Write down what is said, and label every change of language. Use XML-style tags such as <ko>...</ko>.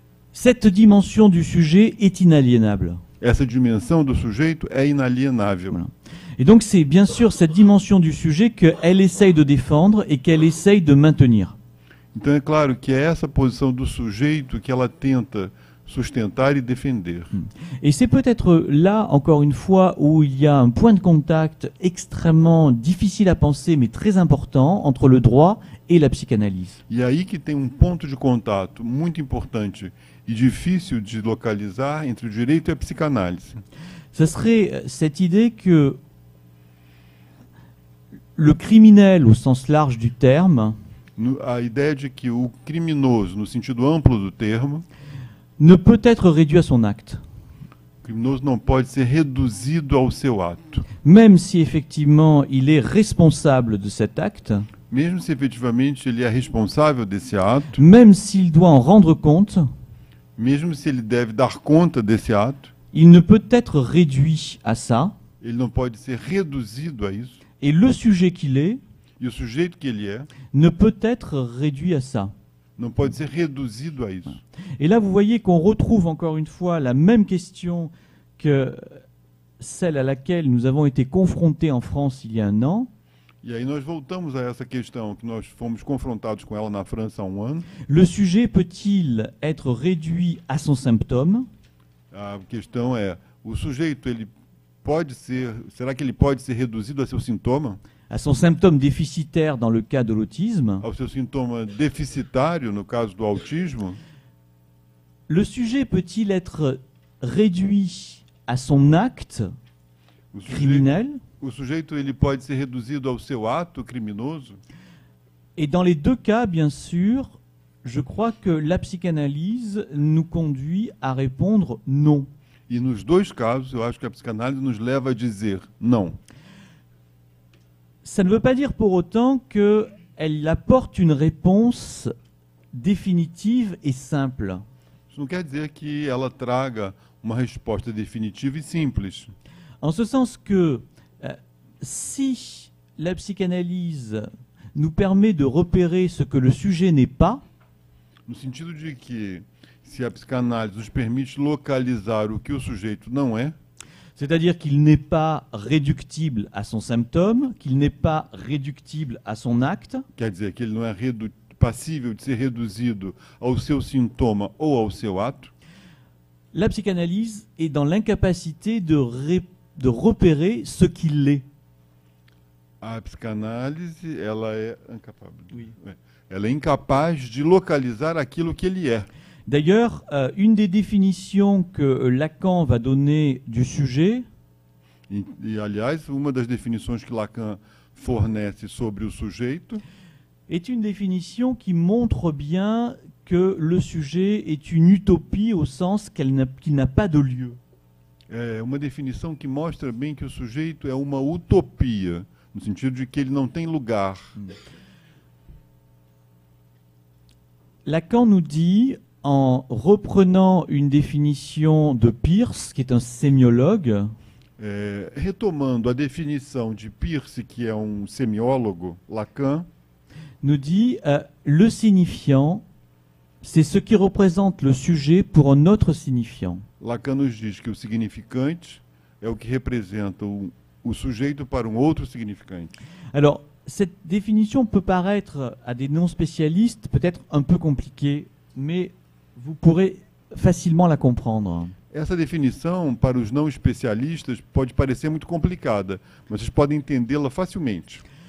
<fr>cette dimension du sujet est inaliénable.</fr> <pt>Essa dimensão do sujeito é inalienável.</pt> <fr>Voilà. Et donc c'est bien sûr cette dimension du sujet qu'elle essaye de défendre et qu'elle essaye de maintenir.</fr> <pt>Então é claro que é essa posição do sujeito que ela tenta sustentar e defender.</pt> <fr>Et c'est peut-être là, encore une fois, où il y a un point de contact extrêmement difficile à penser, mais très important, entre le droit et la psychanalyse.</fr> <pt>E aí que tem ponto de contato muito importante e difícil de localizar entre o direito e a psicanálise.</pt> <fr>Ce serait cette idée que le criminel, au sens large du terme,</fr> <pt>a ideia de que o criminoso, no sentido amplo do termo,</pt> <fr>ne peut être réduit à son acte.</fr> <pt>O criminoso não pode ser reduzido ao seu ato.</pt> <fr>Même si effectivement il est responsable de cet acte,</fr> <pt>mesmo se efetivamente ele é responsável desse ato,</pt> <fr>même s'il doit en rendre compte,</fr> <pt>mesmo se ele deve dar conta desse ato,</pt> <fr>il ne peut être réduit à ça.</fr> <pt>Ele não pode ser reduzido a isso.</pt> <fr>Et le sujet qu'il est,</fr> <pt>e o sujeito que ele é,</pt> <fr>ne peut être réduit à ça.</fr> <pt>Não pode ser reduzido a isso.</pt> <fr>Et là, vous voyez qu'on retrouve encore une fois la même question que celle à laquelle nous avons été confrontés en France il y a un an.</fr> <pt>E aí nós voltamos a essa questão que nós fomos confrontados com ela na França há um ano.</pt> <fr>Le sujet peut-il être réduit à son symptôme?</fr> <pt>A questão é, o sujeito, ele pode ser, será que ele pode ser reduzido a seu sintoma?</pt> <fr>À son symptôme déficitaire dans le cas de l'autisme.</fr> <pt>Ao seu sintoma deficitário no caso do autismo.</pt> <fr>Le sujet peut-il être réduit à son acte criminel?</fr> <pt>O sujeito ele pode ser reduzido ao seu ato criminoso?</pt> <fr>Et dans les deux cas, bien sûr, je crois que la psychanalyse nous conduit à répondre non.</fr> <pt>E nos dois casos, eu acho que a psicanálise nos leva a dizer não.</pt> <fr>Ça ne veut pas dire pour autant qu'elle apporte une réponse définitive et simple.</fr> <pt>Isso não quer dizer que ela traga uma resposta definitiva e simples.</pt> <fr>En ce sens que si la psychanalyse nous permet de repérer ce que le sujet n'est pas,</fr> <pt>no sentido de que se a psicanálise nos permite localizar o que o sujeito não é,</pt> <fr>c'est-à-dire qu'il n'est pas réductible à son symptôme, qu'il n'est pas réductible à son acte.</fr> <pt>Quer dizer que ele não é passível de ser reduzido ao seu sintoma ou ao seu ato.</pt> <fr>La psychanalyse est dans l'incapacité de repérer ce qu'il est.</fr> <pt>A psicanálise, ela é</pt> <fr>incapable. Oui.</fr> <pt>Ela é incapaz de localizar aquilo que ele é.</pt> <fr>D'ailleurs, une des définitions que Lacan va donner du sujet,</fr> <pt>e aliás, uma das definições que Lacan fornece sobre o sujeito,</pt> <fr>est une définition qui montre bien que le sujet est une utopie au sens qu'il n'a pas de lieu.</fr> <pt>É uma definição que mostra bem que o sujeito é uma utopia, no sentido de que ele não tem lugar.</pt> <fr>Lacan nous dit, en reprenant une définition de Peirce, qui est un sémiologue,</fr> <pt>retomando a definição de Peirce,</pt> <fr>qui est un sémiologue,</fr> <pt>Lacan</pt> <fr>nous dit le signifiant, c'est ce qui représente le sujet pour un autre signifiant. Lacan nous dit que le significant est ce qui représente le sujet pour un autre significant. Alors, cette définition peut paraître à des non-spécialistes peut-être un peu compliquée, mais vous pourrez facilement la comprendre.</fr> <pt>Essa definição para os não especialistas pode parecer muito complicada, mas vocês podem entendê-la facilmente.</pt>